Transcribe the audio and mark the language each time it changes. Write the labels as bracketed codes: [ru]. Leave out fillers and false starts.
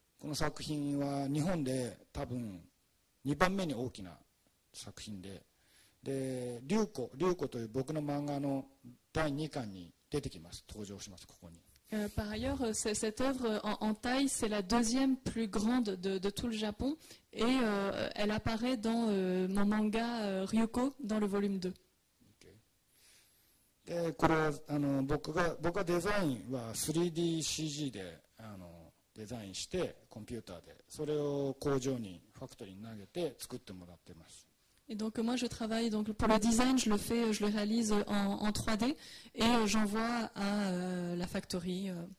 [ja] ちなみにこの作品は日本で多分 2番目に大きな作品で、で、リュウコという僕の漫画の第2巻に出てきます、登場します、ここに。 [fr] Par ailleurs, cette œuvre en taille, c'est la deuxième plus grande de tout le Japon, et elle apparaît dans mon manga Ryuko, dans le volume 2. [en] Okay. [ja] で、これは、あの、僕がデザインは 3D CGで、あの、 デザインしてコンピューターでそれを工場にファクトリーに投げて作ってもらってます。 [fr] Et donc moi je travaille donc pour le design je le fais je le réalise en 3D et j'envoie à la factory.